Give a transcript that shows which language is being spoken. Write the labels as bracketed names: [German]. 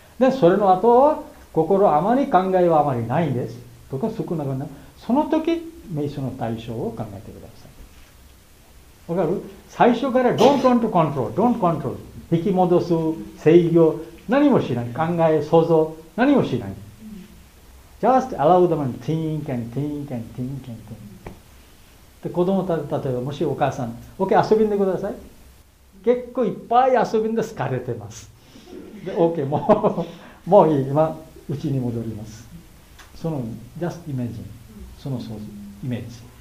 [Japanese] でそれの後は心あまり考えはあまりないですとか少なくなる。その時瞑想の対象を考えてください。わかる？最初から [English] Don't want to control Don't control [Japanese] 引き戻す、制御、何もしない。考え、想像、何もしない。 [English] Just allow them to think and think and think and think. [Japanese] で、子供たち、例えば、もしお母さん、OK、遊びんでください。結構いっぱい遊びんで疲れてます。で、OK、もう、もういい、今、うちに戻ります。その、 [English] just imagine、 [Japanese] その想像、イメージ。